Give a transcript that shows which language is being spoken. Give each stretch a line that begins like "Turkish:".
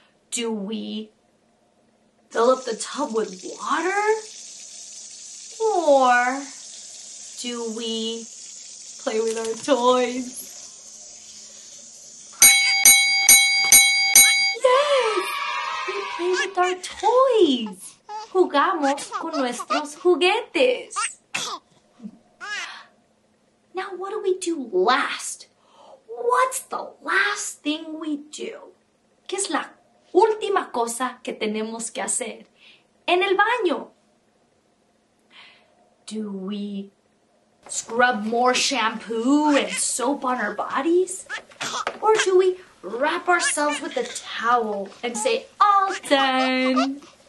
English: Do we fill up the tub with water? Or do we play with our toys? Yes! We play with our toys!
Spanish: Jugamos con nuestros juguetes.
English: Now, what do we do last? What's the last thing we do?
Spanish: ¿Qué es la última cosa que tenemos que hacer? En el baño.
English: Do we scrub more shampoo and soap on our bodies? Or do we wrap ourselves with a towel and say, all done?